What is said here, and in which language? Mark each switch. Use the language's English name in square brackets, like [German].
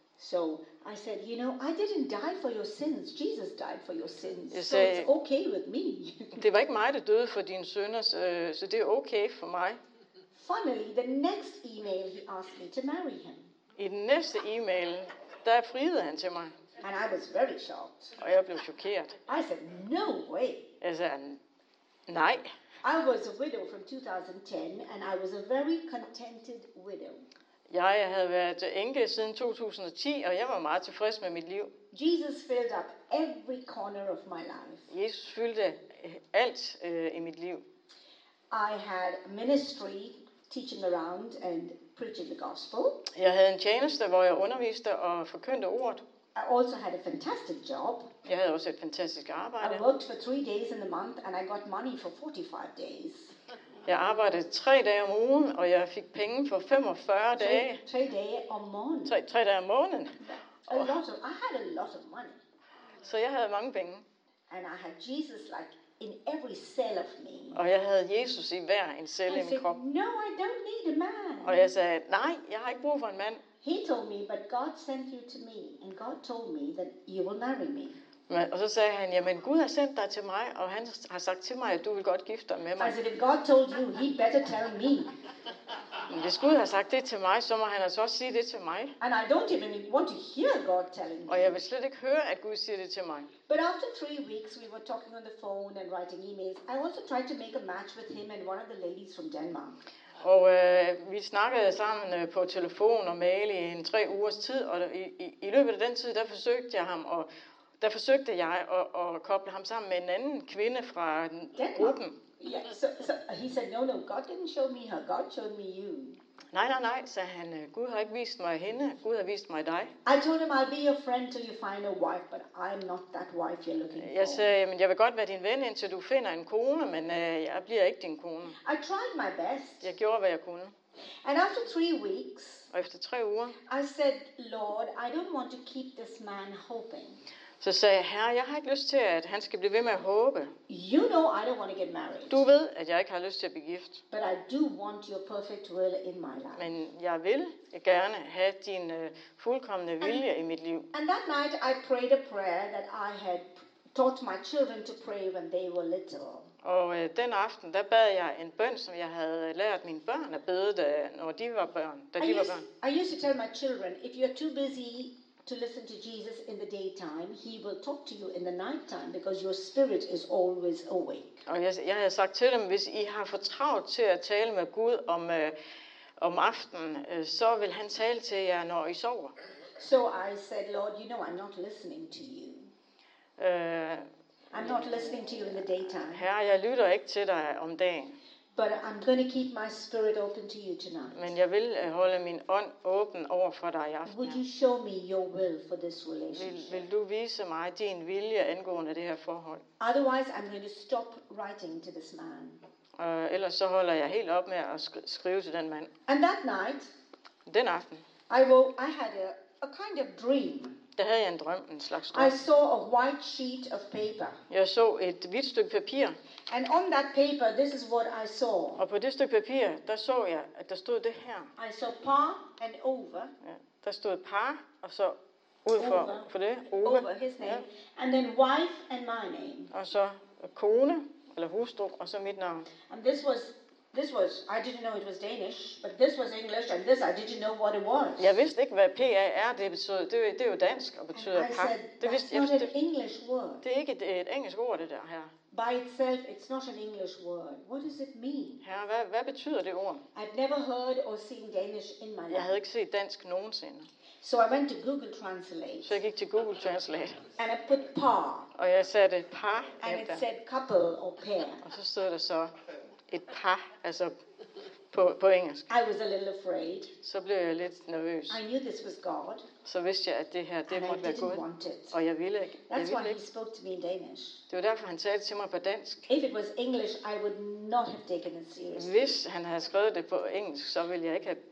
[English] So I said, you know, I didn't die for your sins. Jesus died for your sins. [Danish] Sagde, [English] so it's okay with me. [Danish] Det var ikke mig, der døde for dine synder, så det er okay for mig. [English] Finally, the next email, he asked me to marry him. [Danish] I den næste e-mail, der friede han til mig. [English] And I was very shocked. [Danish] Og jeg blev chokeret. [English] I said, no way. [Danish] Jeg sagde, nej. [English] I was a widow from 2010, and I was a very contented widow. [Danish] Jeg havde været enke siden 2010, og jeg var meget tilfreds med mit liv. [English] Jesus filled up every corner of my life. [Danish] Jesus fyldte alt i mit liv. [English] I had ministry, teaching around and preaching the gospel. [Danish] Jeg havde en tjeneste, hvor jeg underviste og forkyndte ordet. [English] I also had a fantastic job. [Danish] Jeg havde også et fantastisk arbejde. [English] I worked for 3 days in the month and I got money for 45 days. [Danish] Jeg arbejdede 3 dage om ugen, og jeg fik penge for 45 dage. Tre dage om måneden. [English] I had a lot of money. [Danish] Så jeg havde mange penge. [English] And I had Jesus like in every cell of me. [Danish] Og jeg havde Jesus i hver en celle i min krop. [English] No, I don't need a man. [Danish] Og jeg sagde, nej, jeg har ikke brug for en mand. [English] He told me, but God sent you to me, and God told me that you will marry me. [Danish] Og så sagde han, jamen Gud har sendt dig til mig, og han har sagt til mig, at du vil godt gifte dig med mig. [English] I said, if God told you, he better tell me. [Danish] Men hvis Gud har sagt det til mig, så må han altså også sige det til mig. [English] And I don't even want to hear God telling me. [Danish] Og jeg vil slet ikke høre, at Gud siger det til mig. [English] But after 3 weeks, we were talking on the phone and writing emails. I also tried to make a match with him and one of the ladies from Denmark. [Danish] Og vi snakkede sammen på telefon og mail i en 3 ugers tid, og i løbet af den tid, der forsøgte jeg ham at... Der forsøgte jeg at koble ham sammen med en anden kvinde fra gruppen. [English] Yeah. So he said, no, God didn't show me her. God showed me you. [Danish] Nej, sagde han. Gud har ikke vist mig hende. Gud har vist mig dig. [English] I told him I'll be your friend till you find a wife, but I'm not that wife you're looking for. [Danish] Jeg sagde, men jeg vil godt være din ven indtil du finder en kone, men jeg bliver ikke din kone. [English] I tried my best. [Danish] Jeg gjorde hvad jeg kunne. [English] And after 3 weeks. [Danish] Og efter 3 uger. [English] I said, Lord, I don't want to keep this man hoping. [Danish] Så sagde jeg, herre, jeg har ikke lyst til, at han skal blive ved med at håbe. [English] You know I don't want to get married. [Danish] Du ved, at jeg ikke har lyst til at blive gift. [English] But I do want your perfect will in my life. [Danish] Men jeg vil gerne have din fuldkomne vilje i mit liv. [English] And that night I prayed a prayer that I had taught my children to pray when they were little. [Danish] Og den aften, der bad jeg en bøn, som jeg havde lært mine børn at bede, da de var børn. [English] I used to tell my children, if you're too busy to listen to Jesus in the daytime, he will talk to you in the nighttime because your spirit is always awake. [Danish] Og jeg havde sagt til dem, hvis I har for travlt til at tale med Gud om aftenen, så vil han tale til jer, når I sover. [English] So I said, Lord, you know I'm not listening to you. I'm not listening to you in the daytime. [Danish] Herre, jeg lytter ikke til dig om dagen. [English] But I'm going to keep my spirit open to you tonight. [Danish] Men jeg vil holde min ånd åben over for dig i aften. [English] Would you show me your will for this relationship? [Danish] Vil du vise mig din vilje angående det her forhold? [English] Otherwise, I'm going to stop writing to this man. [Danish] Ellers så holder jeg helt op med at skrive til den mand. [English] And that night, [Danish] den aften, [English] I had a kind of dream. [Danish] Der havde jeg en drøm, en slags drøm. [English] I saw a white sheet of paper. [Danish] Jeg så et hvidt stykke papir. [English] And on that paper, this is what I saw. [Danish] Og på det stykke papir, der så jeg, at der stod det her. [English] I saw par and over. [Danish] Ja, der stod par, og så ud for det, Ove. [English] Over his name. Ja. And then wife and my name. [Danish] Og så kone, eller hustru, og så mit navn. [English] And this was, I didn't know it was Danish, but this was English, and this, I didn't know what it was. [Danish] Jeg vidste ikke, hvad PAR det betød. Det er jo dansk, og betyder par. [English] That's not an English word. [Danish] Det er ikke et engelsk ord, det der her. [English] By itself, it's not an English word. What does it mean? [Danish] Herre, hvad betyder det ord? [English] I've never heard or seen Danish in my life. [Danish] Jeg havde ikke set dansk nogensinde. [English] So I went to Google Translate. [Danish] Så jeg gik til Google Translate. [English] And I put par. [Danish] Og jeg satte par. [English] And it said couple or pair. [Danish] Og så stod der så... et par, altså på engelsk. [English] I was a little afraid. [Danish] Så blev jeg lidt nervøs. [English] I knew this was God. [Danish] Så vidste jeg, at det her, det måtte være Gud. Og jeg ville ikke. [English] That's [Danish] ville [English] why [Danish] ikke. [English] He spoke to me in Danish. [Danish] Det var derfor, han talte til mig på dansk. [English] If it was English, I would not have taken it seriously. [Danish] Hvis han havde skrevet det på engelsk, så ville jeg ikke have